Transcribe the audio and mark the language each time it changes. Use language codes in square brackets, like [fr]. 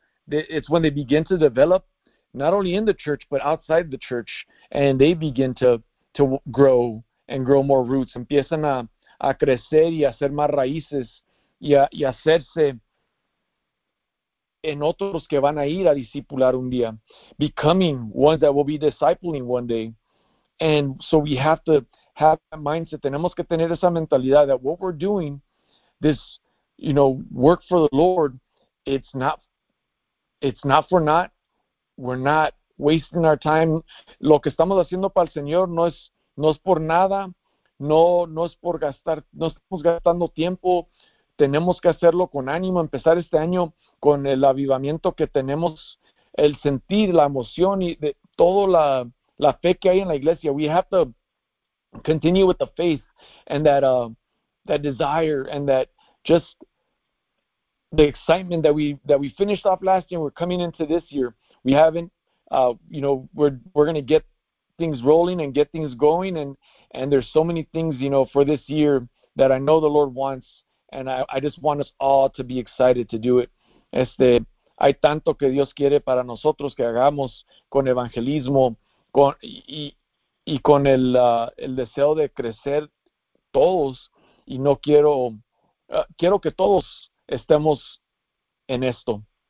[en] It's when they begin to develop, not only in the church, but outside the church. And they begin to grow and grow more roots. [es] Empiezan a crecer y a hacer más raíces y hacerse en otros que van a ir a discipular un día. [en] Becoming ones that will be discipling one day. And so we have to have that mindset. [es] Tenemos que tener esa mentalidad [en] that what we're doing, this, you know, work for the Lord, it's not for naught. We're not wasting our time. [es] Lo que estamos haciendo para el Señor no es por nada. No es por gastar, no estamos gastando tiempo. Tenemos que hacerlo con ánimo, empezar este año con el avivamiento que tenemos, el sentir, la emoción y de toda la fe que hay en la iglesia. [en] We have to continue with the faith and that desire and that just the excitement that we finished off last year. We're coming into this year. We haven't, we're going to get things rolling and get things going, and there's so many things, you know, for this year that I know the Lord wants, and I just want us all to be excited to do it. [es] Hay tanto que Dios quiere para nosotros que hagamos con evangelismo con el deseo de crecer todos, y no quiero quiero que todos estemos en esto.